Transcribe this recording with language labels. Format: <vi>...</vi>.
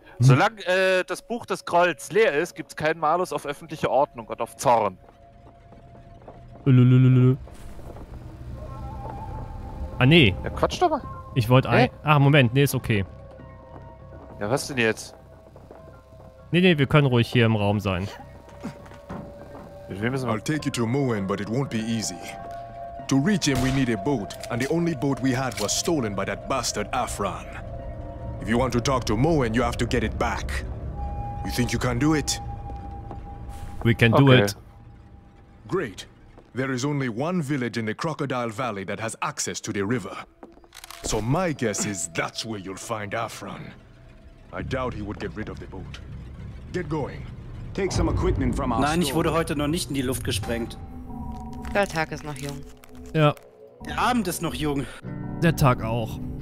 <de>Solange das Buch des Grolls leer ist, gibt's keinen Malus auf öffentliche Ordnung und auf Zorn. Ah, nee. Ja, quatsch doch mal. Ich wollte ein. Ach, Moment, nee, ist okay. Ja, was denn jetzt? Nee, wir können ruhig hier im Raum sein. Mit wem ist man?</de> <en>I'll take you to Moen, but it won't be easy. To reach him, we need a boat, and the only boat we had was stolen by that bastard Afran. If you want to talk to Moen, you have to get it back. You think you can do it? We can do it. Great. There is only one village in the Crocodile Valley that has access to the river. So my guess is that's where you'll find Afran. I doubt he would get rid of the boat. Get going. Take some equipment from our store.</en> <de>Nein, ich wurde heute noch nicht in die Luft gesprengt. Der Tag ist noch jung. Ja. Der Abend ist noch jung. Der Tag auch.</de>